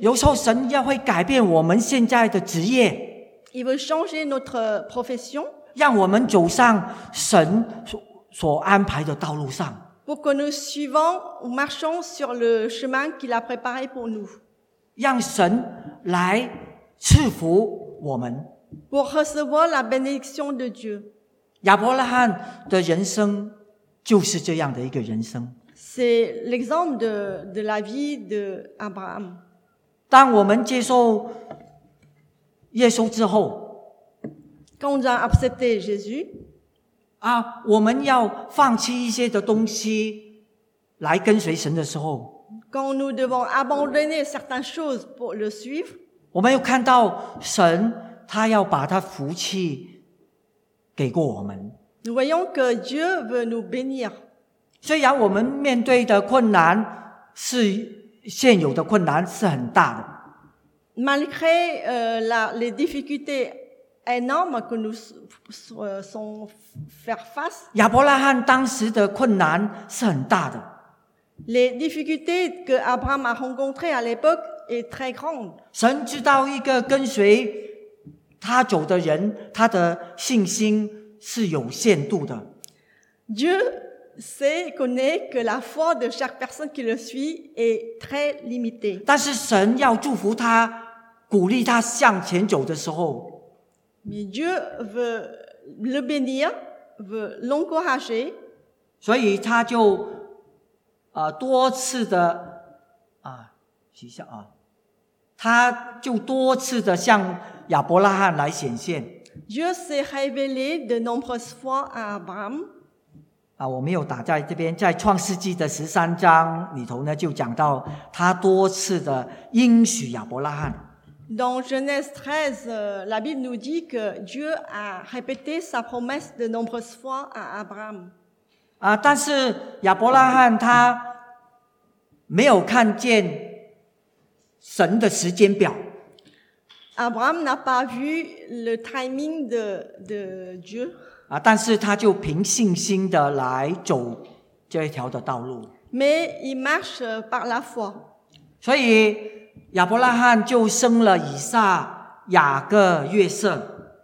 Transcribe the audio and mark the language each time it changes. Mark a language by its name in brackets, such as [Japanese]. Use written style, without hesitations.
[Chinese] 有时候神要会改变我们现在的职业。 [French] Il veut changer notre profession. [Chinese] 让我们走上神所安排的道路上。 [French] Pour que nous suivons ou marchons sur le chemin qu'il a préparé pour nous. [Chinese] 让神来赐福我们。 [French] Pour recevoir la bénédiction de Dieu. [Chinese] 亚伯拉罕的人生就是这样的一个人生。 [French] C'est l'exemple de la vie d'Abraham. [Chinese] 当我们接受耶稣之后。 [French] Quand on a accepté Jésus. [Chinese] 我们要放弃一些的东西来跟随神的时候。 [French] Quand nous devons abandonner certaines choses pour le suivre. [Chinese] 我们又看到神他要把他福气给过我们。 [French] Nous voyons que Dieu veut nous bénir. [Chinese] 虽然我们面对的困难是现有的困难是很大的。 [French] Malgré les difficultés énormes que nous sommes faire face. [Chinese] 亚伯拉罕当时的困难是很大的。 [French] Les difficultés que Abraham a rencontrées à l'époque est très grande. [Chinese] 神知道一个跟随他走的人，他的信心是有限度的。 [French] Dieu sait connaît que la foi de chaque personne qui le suit est très limitée. [Chinese] 但是神要祝福他，鼓励他向前走的时候。 [French] Mais Dieu veut le bénir, veut l'encourager. [Chinese] 所以他就多次的许下他就多次的向亚伯拉罕来显现。 [French] Dieu s'est révélé de nombreuses fois à Abraham. [Chinese] 我没有打在这边，在创世纪的十三章里头呢，就讲到他多次的应许亚伯拉罕。 [French] Dans Genèse 13, la Bible nous dit que Dieu a répété sa promesse de nombreuses fois à Abraham. [Chinese] 但是亚伯拉罕他没有看见神的时间表。 [French] Abraham n'a pas vu le timing de Dieu. [Chinese] 但是他就凭信心的来走这一条的道路。 [French] Mais il marche par la foi. [Chinese] 所以亚伯拉罕就生了以撒、雅各、约瑟。